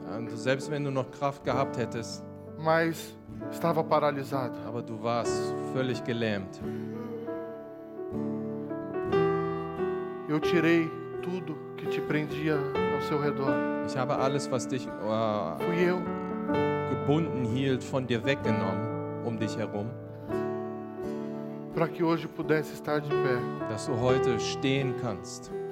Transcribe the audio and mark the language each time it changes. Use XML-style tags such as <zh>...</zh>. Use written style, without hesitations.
<de>Und selbst wenn du noch Kraft gehabt hättest.</de> <pt>Mas estava paralisado.</pt> <de>Aber du warst völlig gelähmt.</de> <pt>Eu tirei tudo que te prendia ao seu redor.</pt> <de>Ich habe alles, was dich</de> <pt>fui eu.</pt> <de>Gebunden hielt, von dir weggenommen, um dich herum,</de> <pt>para que hoje pudesse estar de pé,</pt> <de>dass du heute stehen kannst.</de>